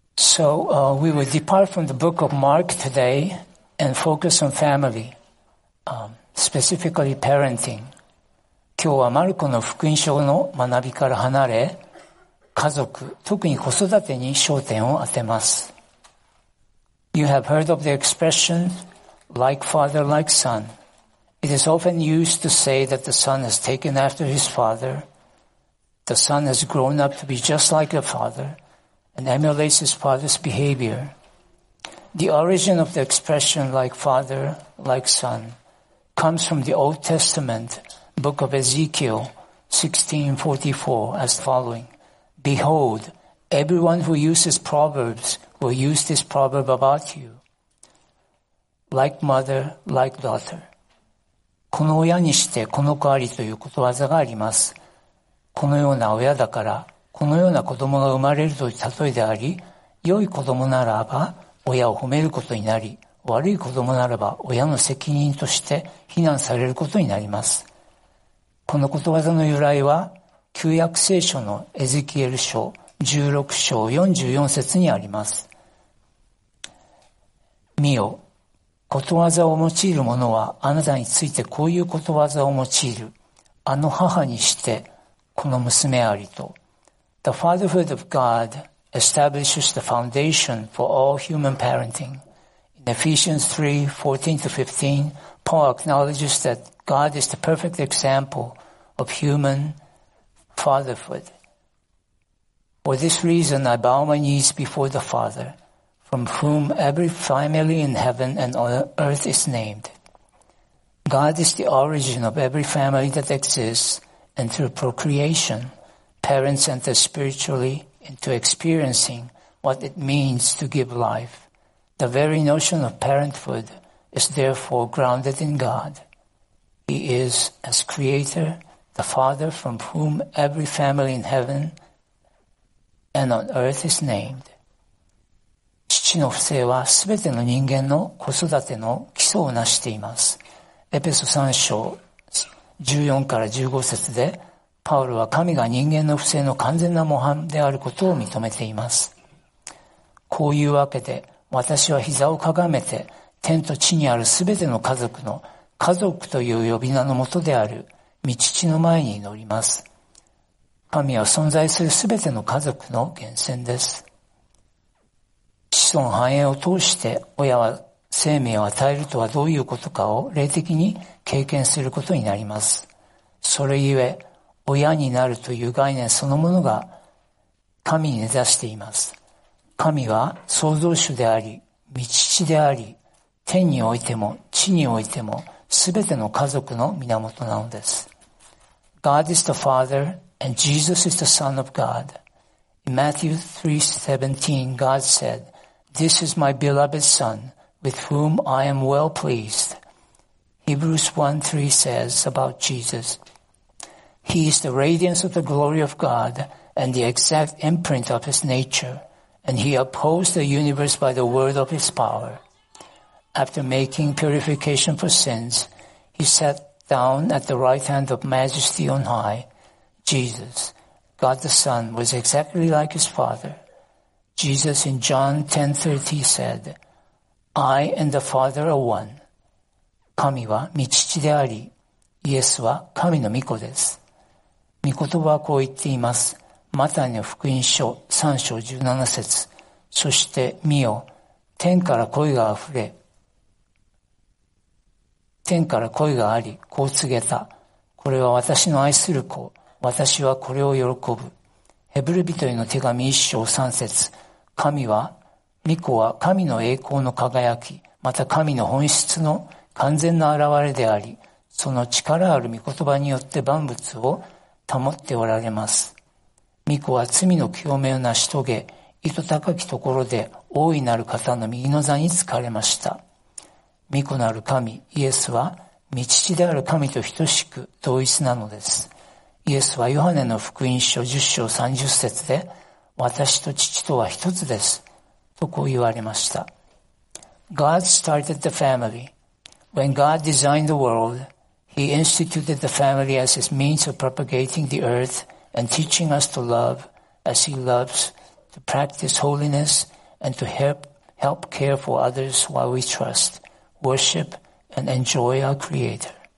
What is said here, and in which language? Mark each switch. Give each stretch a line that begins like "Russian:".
English: So we will depart from the book of Mark today and focus on family, specifically parenting.
Japanese: 今日はマルコの福音書の学びから離れ、家族、特に子育てに焦点を当てます。
English: You have heard of the expression, like father, like son. It is often used to say that the son has taken after his father. The son has grown up to be just like the father. And emulates his father's behavior. The origin of the expression like father, like son comes from the Old Testament book of Ezekiel 16:44 as following. Behold, everyone who uses proverbs will use this proverb about you. Like mother, like daughter.
Japanese: この親にしてこの子ありということわざがあります。このような親だからこのような子供が生まれるという例えであり、良い子供ならば親を褒めることになり、悪い子供ならば親の責任として非難されることになります。このことわざの由来は、旧約聖書のエゼキエル書16章44節にあります。見よ、ことわざを用いる者はあなたについてこういうことわざを用いる。あの母にしてこの娘ありと。
English: The fatherhood of God establishes the foundation for all human parenting. In Ephesians 3:14-15, Paul acknowledges that God is the perfect example of human fatherhood. For this reason, I bow my knees before the Father, from whom every family in heaven and on earth is named. God is the origin of every family that exists, and through procreation,Parents enter spiritually into experiencing what it means to give life. The very notion of parenthood is therefore grounded in God. He is, as creator, the father from whom every family in heaven and on earth is named.
Japanese: 父の父性は全ての人間の子育ての基礎を成しています。エペソ3章14から15節でパウロは神が人間の父性の完全な模範であることを認めています。こういうわけで、私は膝をかがめて、天と地にあるすべての家族の、家族という呼び名のもとである、御父の前に祈ります。神は存在するすべての家族の源泉です。子孫繁栄を通して、親は生命を与えるとはどういうことかを霊的に経験することになります。それゆえ、親になるという概念そのものが神に根ざしています。神は創造主であり、御父であり、天においても地においてもすべての家族の源なのです。
English: God is the Father and Jesus is the Son of God. In Matthew 3:17, God said, This is my beloved Son with whom I am well pleased. Hebrews 1:3 says about Jesus,He is the radiance of the glory of God and the exact imprint of his nature, and he upholds the universe by the word of his power. After making purification for sins, he sat down at the right hand of majesty on high. Jesus, God the Son, was exactly like his father. Jesus in John 10:30 said, I and the Father are one.
Japanese: 神は御父であり、イエスは神の御子です。御言葉はこう言っています。マタイの福音書3章17節。そして見よ、天から声があり、こう告げた。これは私の愛する子、私はこれを喜ぶ。ヘブル人への手紙1章3節。御子は神の栄光の輝き、また神の本質の完全な現れであり、その力ある御言葉によって万物を保っておられます。御子は罪の清めを成し遂げ、糸高きところで大いなる方の右の座に着かれました。御子なる神、イエスは、御父である神と等しく同一なのです。イエスはヨハネの福音書10章30節で、私と父とは一つです。とこう言われました。
English: God started the family. When God designed the world,He instituted the family as his means of propagating the earth and teaching us to love as he loves, to practice holiness and to help care for others while we trust, worship, and enjoy our Creator.